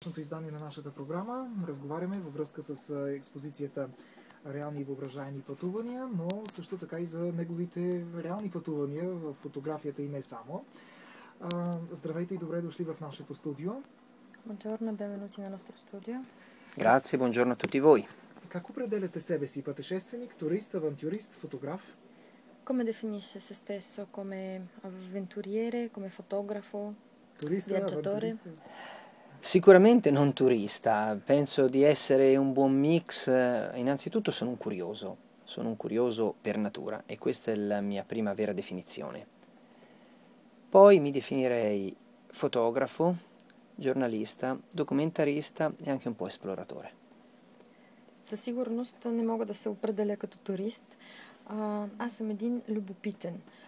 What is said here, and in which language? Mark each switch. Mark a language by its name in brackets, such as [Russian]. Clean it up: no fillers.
[Bulgarian] Днешното издание на нашата програма разговаряме във връзка с експозицията Реални и въображаеми пътувания, но също така и за неговите реални пътувания в фотографията и не само. Здравейте и добре дошли в нашето студио. [Italian] Buongiorno, benvenuti nel nostro studio. Grazie, buongiorno a tutti voi. [Bulgarian] Как определяте себе си? Пътешественик, турист, авантюрист, фотограф? [Italian] Come definisce se stesso? Come avventuriere, come fotografo, turista, viaggiatore? Sicuramente non turista, penso di essere un buon mix. Innanzitutto sono un curioso per natura e questa è la mia prima vera definizione. Poi mi definirei fotografo, giornalista, documentarista e anche un po' esploratore. [Bulgarian] Със сигурност не мога да се определя като турист. Аз съм един любопитен.